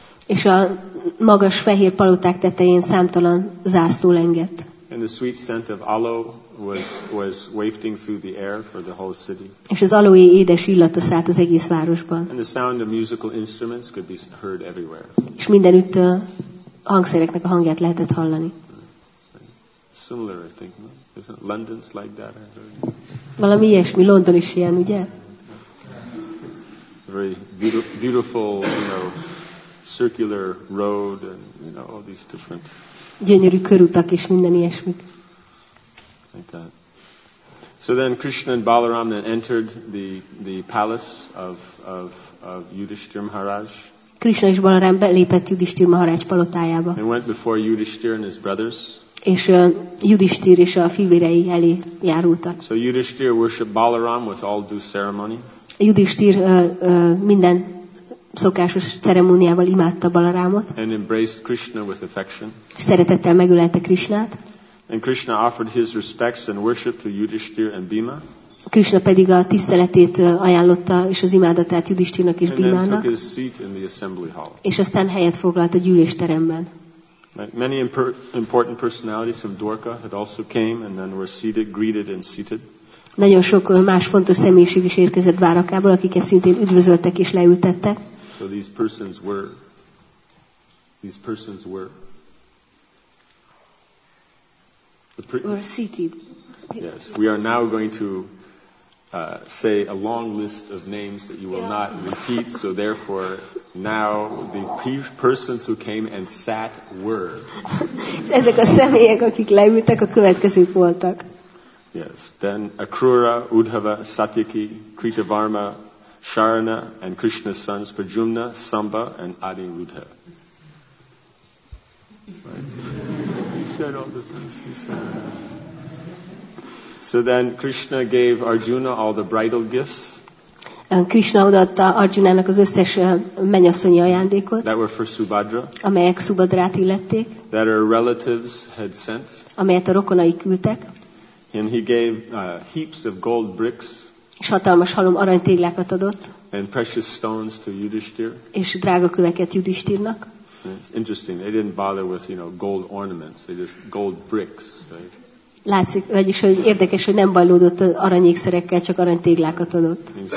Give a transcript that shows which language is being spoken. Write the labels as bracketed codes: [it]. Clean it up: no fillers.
[hu] És a magas fehér paloták tetején számtalan zászló lengett. [en] And the sweet scent of aloe was wafting through the air for the whole city. [hu] És az aloé édes illata szállt az egész városban. [en] And the sound of musical instruments could be heard everywhere. [hu] És mindenütt a hangszereknek a hangját lehetett hallani. [en] Similar, I think, no? Isn't London's like that, I heard? [hu] Valami ilyesmi, London is ilyen, ugye? [en] Very beautiful, you know, circular road and, you know, all these different. [hu] Gyönyörű körutak és minden ilyesmi. [en] Like that. So then Krishna and Balaram then entered the palace of Yudhishthir Maharaj. [hu] Krishna és Balaram belépett Yudhishthir Maharaj palotájába. [en] And went before Yudhishthir and his brothers. [hu] És Yudhishthir és a fivérei elé járultak. [en] So Yudhishthir worshiped Balaram with all due ceremony. [hu] Yudhishthir minden szokásos ceremóniával imádta Balarámot. [en] And embraced Krishna with affection. [hu] Szeretettel megölelte Krishnát. [en] And Krishna offered his respects and worship to Yudhishthir and Bhima. [hu] Krishna pedig a tiszteletét ajánlotta és az imádatát Yudhishthirnak és Bhimának. [en] And then took his seat in the assembly hall. [hu] És aztán helyet foglalt a gyűlésteremben. [en] Many important personalities from Dwarka had also came and then were seated, greeted and seated. [hu] Nagyon sok más fontos személyiség is érkezett Dwarakából, akiket szintén üdvözöltek és leültettek. [en] So these persons were were seated. Yes, we are now going to say a long list of names that you will not repeat, so therefore now the persons who came and sat were. [hu] Ezek a személyek, akik leültek, a következők voltak. [en] Yes, then Akrura, Udhava, Satyaki, Kritavarma, Sharana and Krishna's sons, Prajumna, Samba, and Adi Rudha. Right? He said all the things he said. So then Krishna gave Arjuna all the bridal gifts. [hu] Krishna odaadta Arjunának az összes mennyasszonyi ajándékot. [en] That were for Subhadra. [hu] Amelyek Subhadrát illették. [en] That her relatives had sent. [hu] Amelyet a rokonai küldtek. [en] And he gave heaps of gold bricks. [hu] És hatalmas halom aranytéglákat adott. [en] And precious stones to Yudhishthir. [hu] És drága köveket Yudhishthirnak. [en] It's interesting. They didn't bother with, you know, gold ornaments. They just gold bricks, right? [hu] Látszik, vagyis hogy érdekes, hogy nem bajlódott aranyékszerekkel, csak aranytéglákat adott.